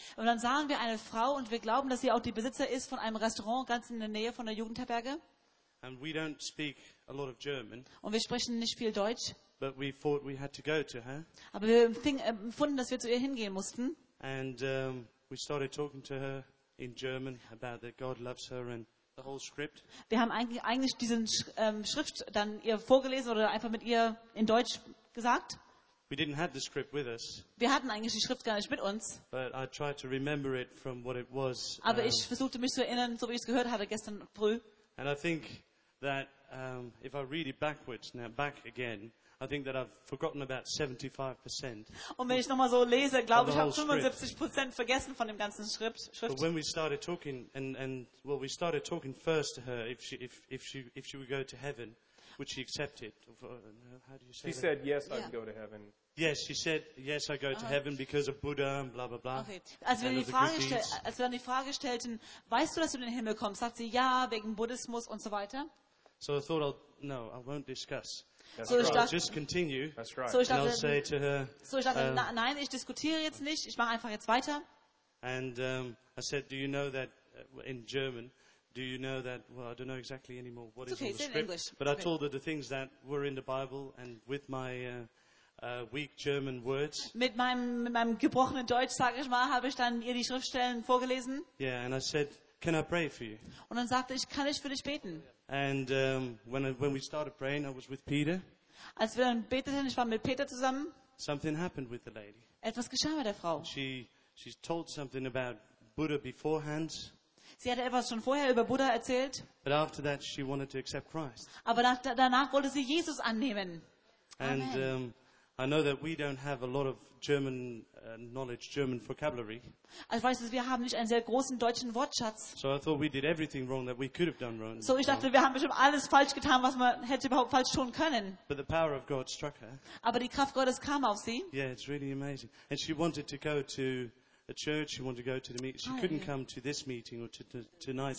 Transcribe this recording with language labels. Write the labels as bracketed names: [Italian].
[German] Und dann sahen wir eine Frau und wir glauben, dass sie auch die Besitzer ist von einem Restaurant ganz in der Nähe von der Jugendherberge. [English] And we don't speak a lot of German. [German] Und wir sprechen nicht viel Deutsch. [English] But we thought we had to go to her. [German] Aber wir empfanden, dass wir zu ihr hingehen mussten. [English] And we started talking to her in German about that God loves her and the whole script. [German] Wir haben eigentlich diesen Schrift dann ihr vorgelesen oder einfach mit ihr in Deutsch gesagt. [English] We didn't have the script with us. [German] Wir hatten eigentlich die Schrift gar nicht mit uns. [English] But I tried to remember it from what it was. [German] Aber ich versuchte mich zu erinnern, so wie ich es gehört hatte gestern früh. [English] And I think that if I read it backwards now back again, I think that I've forgotten about 75%. [German] Und wenn ich nochmal so lese, glaube ich, habe 75% vergessen von dem ganzen Schrift. [English] But when we started talking, and we started talking first to her, if she would go to heaven, which she accepted. How do you say she that? Said yes, yeah. I'd go to heaven. Yes, she said, yes, I go to heaven because of Buddha and blah, blah, blah. Okay. [German] Als wir dann die Frage stellten, weißt du, dass du in den Himmel kommst? Sagt sie, ja, wegen Buddhismus und so weiter. [English] So I thought, I won't discuss. That's so right. I'll just continue. That's right. So and I'll say to her, [German] so ich dachte, nein, ich diskutiere jetzt nicht, ich mache einfach jetzt weiter. [English] And I said, do you know that in German? Do you know that? Well, I don't know exactly anymore what it's is okay, on the script. English. But okay. I told her the things that were in the Bible and with my weak German words. [German] Mit meinem gebrochenen Deutsch, sage ich mal, habe ich dann ihr die Schriftstellen vorgelesen. [English] Yeah, and I said, can I pray for you? [German] Und dann sagte ich, kann ich für dich beten? [English] And when we started praying, I was with Peter. [German] Als wir dann beteten, ich war mit Peter zusammen. [English] Something happened with the lady. [German] Etwas geschah mit der Frau. [English] She told something about Buddha beforehand. [German] Sie hatte etwas schon vorher über Buddha erzählt. [English] But after that she wanted to accept Christ. [German] Aber danach wollte sie Jesus annehmen. [English] And I know that we don't have a lot of German knowledge, German vocabulary. [German] Ich weiß, wir haben nicht einen sehr großen deutschen Wortschatz. [English] So I thought we did everything wrong that we could have done wrong. [German] So ich dachte, wir haben bestimmt alles falsch getan, was man hätte überhaupt falsch tun können. [English] But the power of God struck her. [German] Aber die Kraft Gottes kam auf sie. [English] Yeah, it's really amazing. And she wanted to go to a church, she wanted to go to the meeting. She couldn't come to this meeting or to tonight's